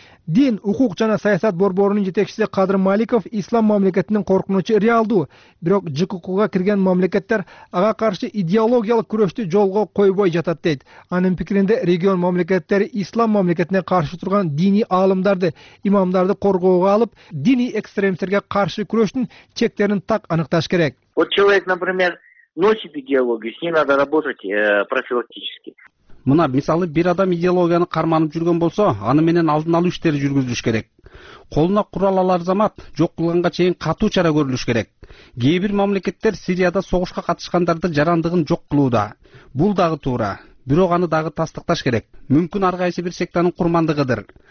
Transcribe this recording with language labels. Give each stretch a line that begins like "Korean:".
Kyrgyz: Дин, укук жана саясат борборунун жетекчиси Кадыр Маликов ислам мамлекетинин коркунучу реалдуу, бирок ЖККГ кирген мамлекеттер ага каршы идеологиялык күрөштү жолго койбой жатат дейт. Анын пикиринде регион мамлекеттери ислам мамлекетине каршы турган диний аалымдарды, имамдарды коргоого алып, диний экстремисттерге каршы күрөштүн чектерин так аныкташ керек.
Russian: Вот человек, например, носит идеологию, с ней надо работать профилактически.
Kyrgyz: Мына мисалы бир адам идеологияны карманып жүргөн болсо, аны менен алдын алуу иштери жүргүзүлүш керек. Колуна курал алар замат жок кылганга чейин катуу чара көрүлүш керек. Кээ бир мамлекеттер Сирияда согушка катышкандарды жарандыгын жок кылууда. Бул дагы туура, бирок аны дагы тастыкташ керек. Мүмкүн ар кайсы бир сектанын курмандыгыдыр.